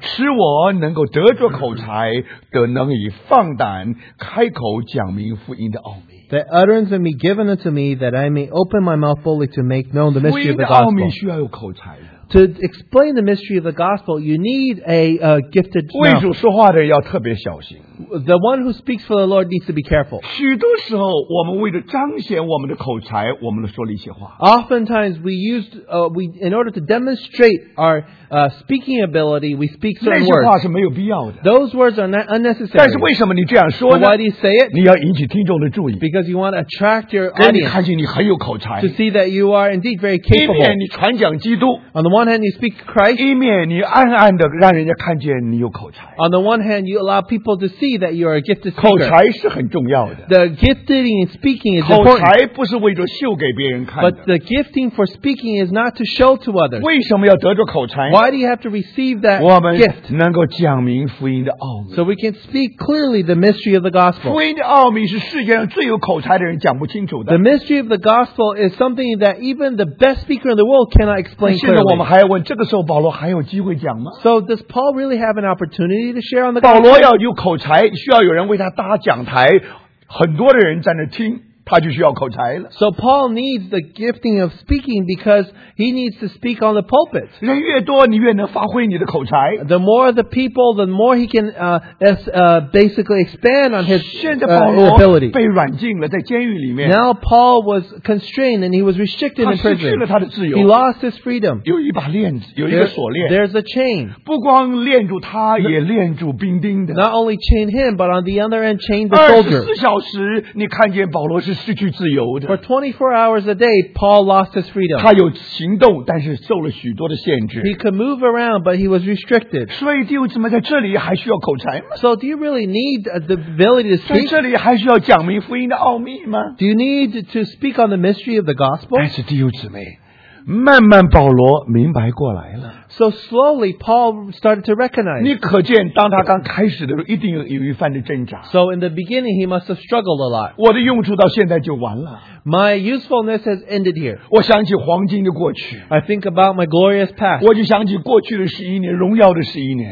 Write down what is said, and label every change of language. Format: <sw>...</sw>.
<zh>使我能够得着口才，得能以放胆开口讲明福音的奥秘。</zh> <en>That utterance may be given unto me, that I may open my mouth boldly to make known the mystery of the gospel.</en> <zh>福音的奥秘需要有口才。</zh> <en>To explain the mystery of the gospel, you need a gifted mouth.</en> <zh>为主说话的人要特别小心。</zh> <en>The one who speaks for the Lord needs to be careful.</en> <zh>许多时候，我们为了彰显我们的口才，我们说了一些话。</zh> <en>Oftentimes, we used in order to demonstrate our speaking ability, we speak certain words.</en> <zh>那些话是没有必要的。</zh> <en>Those words are not unnecessary.</en> <zh>但是为什么你这样说呢</zh> <en>？Why do you say it?</en> <zh>你要引起听众的注意。</zh> <en>Because you want to attract your audience.</en> <zh>让你看见你很有口才。</zh> <en>To see that you are indeed very capable.</en> <zh>一面你传讲基督。</zh> <en>On the one hand, you speak Christ.</en> <zh>一面你暗暗的让人家看见你有口才。</zh> <en>On the one hand, you allow people to see that you are a gifted speaker.</en> <zh>口才是很重要的。</zh> <en>The gifted in speaking is</en> <zh>口口才不是为着秀给别人看的。</zh> <en>But the gifting for speaking is not to show to others.</en> <zh>为什么要得着口才呢？</zh> <en>Why do you have to receive that gift?</en> <zh>我们能够讲明福音的奥秘。</zh> <en>So we can speak clearly the mystery of the gospel.</en> <zh>福音的奥秘是世界上最有口才的人讲不清楚的。</zh> <en>The mystery of the gospel is something that even the best speaker in the world cannot explain clearly.</en> <zh>现在我们还要问，这个时候保罗还有机会讲吗？</zh> <en>So does Paul really have an opportunity to share on the gospel?</en> <zh>保罗要有口才。需要有人为他搭讲台，很多的人在那听，他就需要口才了。</zh> <en>So Paul needs the gifting of speaking because he needs to speak on the pulpit.</en> <zh>人越多，你越能发挥你的口才。</zh> <en>The more the people, the more he can basically expand on his ability.</en> <zh>被软禁了，在监狱里面。</zh> <en>Now Paul was constrained and he was restricted in prison.</en> <zh>他失去了他的自由。</zh> <en>He lost his freedom.</en> <zh>有一把链子，有一个锁链。</zh> <en>There's a chain.</en> <zh>不光链住他，也链住兵丁的。</zh> <en>Not only chained him, but on the other end chained the soldier.</en> <zh>24小时，你看见保罗。是失去自由的。</zh> <en>For 24 hours a day, Paul lost his freedom.</en> <zh>他有行动，但是受了许多的限制。</zh> <en>He could move around, but he was restricted.</en> <zh>所以弟兄姊妹在这里还需要口才吗</zh> <en>？So do you really need the ability to speak?</en> <zh>在这里还需要讲明福音的奥秘吗</zh> <en>？Do you need to speak on the mystery of the gospel?</en> <zh>但是弟兄姊妹，慢慢保罗明白过来了。</zh> <en>So slowly, Paul started to recognize.</en> <zh>你可见当他刚开始的时候，一定有一番的挣扎。</zh> <en>So in the beginning, he must have struggled a lot.</en> <zh>我的用处到现在就完了。</zh> <en>My usefulness has ended here.</en> <zh>我想起黄金的过去。</zh> <en>I think about my glorious past.</en> <zh>我就想起过去的十一年，荣耀的十一年。</zh>